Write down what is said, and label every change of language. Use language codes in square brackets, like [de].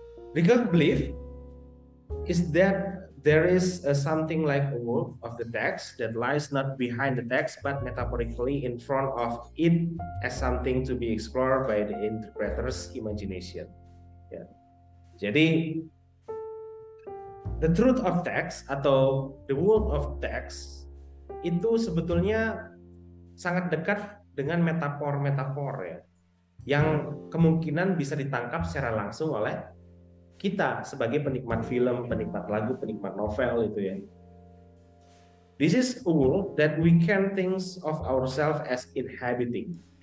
[en] Rieger believe is that there is a something like a wolf of the text that lies not behind the text but metaphorically in front of it as something to be explored by the interpreter's imagination. Yeah. [id] Jadi [en] the truth of text [id] atau [en] the world of text [id] itu sebetulnya sangat dekat dengan metafor-metafor ya, yang kemungkinan bisa ditangkap secara langsung oleh kita sebagai penikmat film, penikmat lagu, penikmat novel itu ya. [en] This is a world that we can think of ourselves as inhabiting.